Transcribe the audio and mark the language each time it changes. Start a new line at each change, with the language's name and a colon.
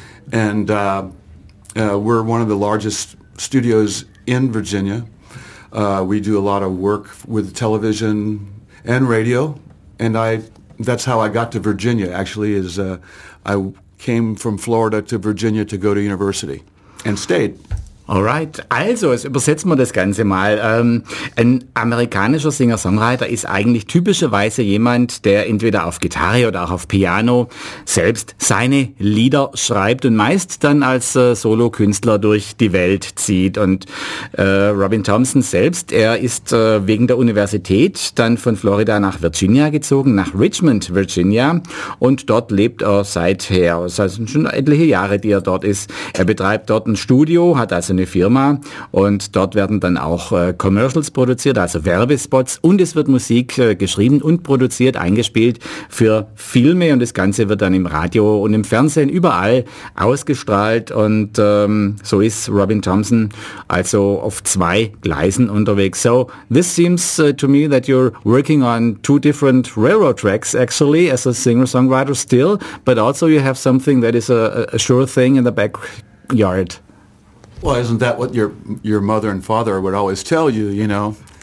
English: And we're one of the largest studios in Virginia. We do a lot of work with television and radio. And that's how I got to Virginia, actually, is I came from Florida to Virginia to go to university and stayed.
German: Alright, also, jetzt übersetzen wir das Ganze mal. Ein amerikanischer Singer-Songwriter ist eigentlich typischerweise jemand, der entweder auf Gitarre oder auch auf Piano selbst seine Lieder schreibt und meist dann als Solokünstler durch die Welt zieht. Und Robin Thompson selbst, er ist wegen der Universität dann von Florida nach Virginia gezogen, nach Richmond, Virginia. Und dort lebt er seither, also schon etliche Jahre, die er dort ist. Er betreibt dort ein Studio, hat also eine Firma und dort werden dann auch Commercials produziert, also Werbespots und es wird Musik geschrieben und produziert, eingespielt für Filme und das Ganze wird dann im Radio und im Fernsehen überall ausgestrahlt und so ist Robin Thompson also auf zwei Gleisen unterwegs.
English: So this seems to me that you're working on two different railroad tracks actually as a singer-songwriter still, but also you have something that is a sure thing in the backyard. Well, isn't that what your mother and father would always tell you, you know?